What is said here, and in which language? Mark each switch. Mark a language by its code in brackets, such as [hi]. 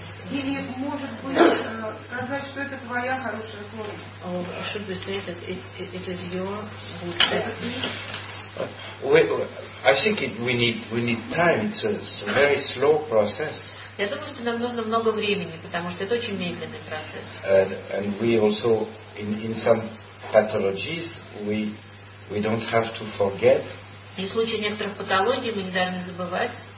[ru] Или может быть сказать, что это твоя хорошая форма? [en] Or should we say that it is your good I think we need time. It's a very slow process. [ru] Я думаю, что нам нужно много времени, потому что это очень медленный процесс. [en] And we also in some pathologies we don't have to forget. [ru] И в случае некоторых патологий мы не должны забывать.